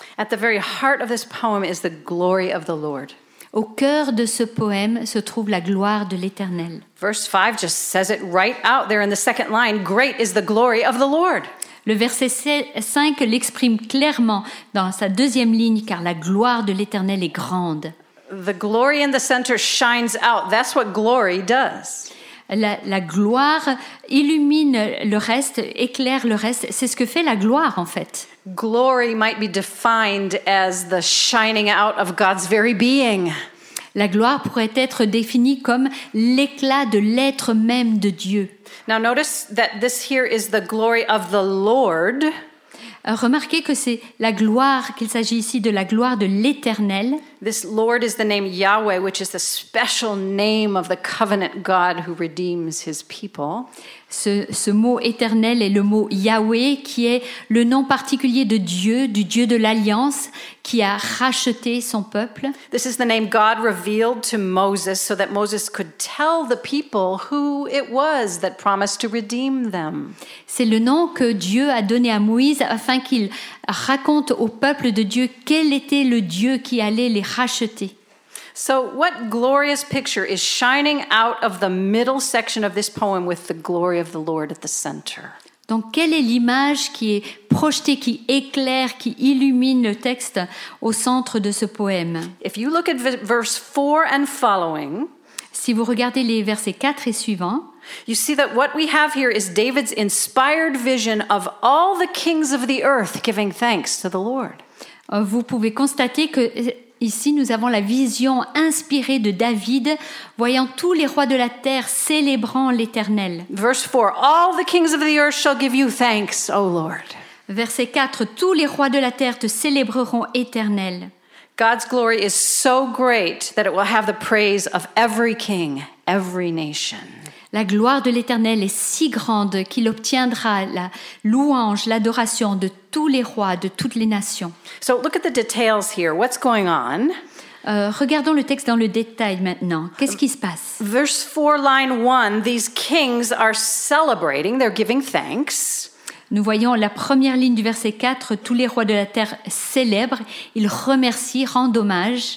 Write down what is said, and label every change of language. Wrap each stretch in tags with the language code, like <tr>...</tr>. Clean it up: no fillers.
<en>At the very heart of this poem is the glory of the Lord.</en> <fr>Au cœur de ce poème se trouve la gloire de l'Éternel.</fr> <en>Verse 5 just says it right out there in the second line, great is the glory of the Lord.</en> <fr>Le verset 5 l'exprime clairement dans sa deuxième ligne, car la gloire de l'Éternel est grande.</fr> <en>The glory in the center shines out. That's what glory does.</en> <fr>La gloire illumine le reste, éclaire le reste. C'est ce que fait la gloire, en fait.</fr> <en>Glory might be defined as the shining out of God's very being.</en> <fr>La gloire pourrait être définie comme l'éclat de l'être même de Dieu.</fr> <en>Now notice that this here is the glory of the Lord.</en> <fr>Remarquez que c'est la gloire qu'il s'agit ici de la gloire de l'Éternel.</fr> <en>This Lord is the name Yahweh, which is the special name of the covenant God who redeems his people.</en> <fr>Ce mot éternel est le mot Yahweh, qui est le nom particulier de Dieu, du Dieu de l'Alliance, qui a racheté son peuple.</fr> <en>This is the name God revealed to Moses so that Moses could tell the people who it was that promised to redeem them.</en> <fr>C'est le nom que Dieu a donné à Moïse afin qu'il raconte au peuple de Dieu quel était le Dieu qui allait les racheter.</fr> <en>So what glorious picture is shining out of the middle section of this poem with the glory of the Lord at the center?</en> <fr>Donc quelle est l'image qui est projetée, qui éclaire, qui illumine le texte au centre de ce poème?</fr> <en>If you look at verse 4 and following,</en> <fr>si vous regardez les versets 4 et suivants,</fr> <en>you see that what we have here is David's inspired vision of all the kings of the earth giving thanks to the Lord.</en> <fr>Vous pouvez constater que ici, nous avons la vision inspirée de David, voyant tous les rois de la terre célébrant l'Éternel.</fr> <en>Verse 4, all the kings of the earth shall give you thanks, O Lord.</en> <fr>Verset 4, tous les rois de la terre te célébreront, Éternel.</fr> <en>God's glory is so great that it will have the praise of every king, every nation.</en> <fr>La gloire de l'Éternel est si grande qu'il obtiendra la louange, l'adoration de tous les rois, de toutes les nations.</fr> <en>So look at the details here. What's going on?</en> <fr>Regardons le texte dans le détail maintenant. Qu'est-ce qui se passe?</fr> <en>Verse 4, line 1, these kings are celebrating, they're giving thanks.</en> <fr>Nous voyons la première ligne du verset 4, tous les rois de la terre célèbrent, ils remercient, rendent hommage.</fr>